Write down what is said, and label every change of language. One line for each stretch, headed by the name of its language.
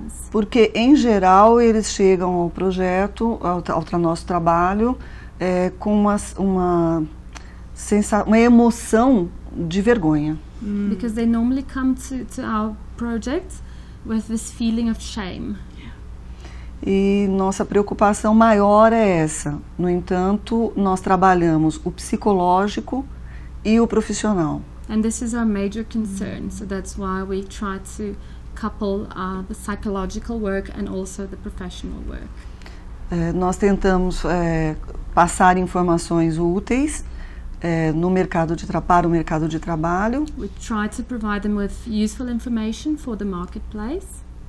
Portuguese: porque, em geral, eles chegam ao projeto, ao nosso trabalho, com uma emoção de vergonha.
English: Because they normally come to our project with this feeling of shame.
Portuguese: E nossa preocupação maior é essa. No entanto, nós trabalhamos o psicológico e o profissional.
English: And this is our major concern, so that's why we try to couple the psychological work and also the professional work.
Portuguese: Nós tentamos passar informações úteis no mercado de para o mercado de trabalho.
English: We try to provide them with useful information for the marketplace.